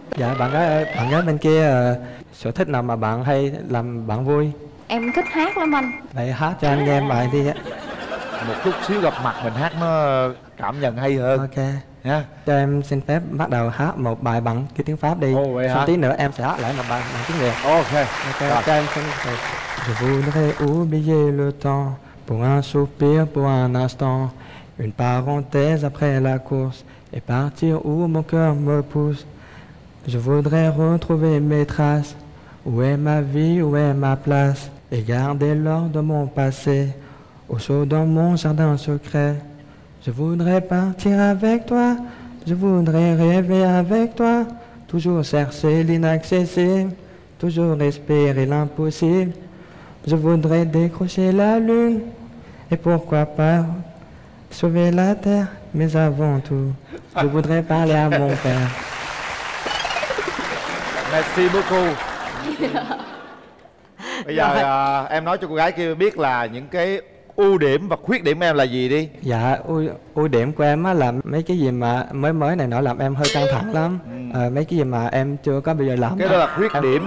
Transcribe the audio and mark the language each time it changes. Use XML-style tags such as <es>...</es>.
<vi>Dạ bạn gái ơi, bạn gái bên kia sở thích nào mà bạn hay làm bạn vui? Em thích hát lắm anh. Vậy hát cho anh nghe em bài đi. Một chút xíu gặp mặt mình hát nó cảm nhận hay hơn. Ok. Cho em xin phép bắt đầu hát một bài bằng cái tiếng Pháp đi. Oh, vậy hả? Xong tí nữa em sẽ hát lại một bài bằng tiếng Việt. Ok. Ok. Rồi. Cho em xin phép.</vi> <fr>Je voudrais oublier le temps pour un soupir, pour un instant, une parenthèse après la course et partir où mon cœur me pousse. Je voudrais retrouver mes traces, où est ma vie, où est ma place, et garder l'or de mon passé au chaud dans mon jardin secret. Je voudrais partir avec toi, je voudrais rêver avec toi, toujours chercher l'inaccessible, toujours espérer l'impossible. Je voudrais décrocher la lune et pourquoi pas sauver la terre, mais avant tout, je voudrais parler à mon père. Merci beaucoup.</fr> <vi>Bây giờ em nói cho cô gái kia biết là những cái ưu điểm và khuyết điểm em là gì đi. Dạ, ưu điểm của em là mấy cái gì mà mới này nó làm em hơi căng thẳng lắm. Mấy cái gì mà em chưa có bây giờ làm. Cái đó là khuyết điểm.</vi>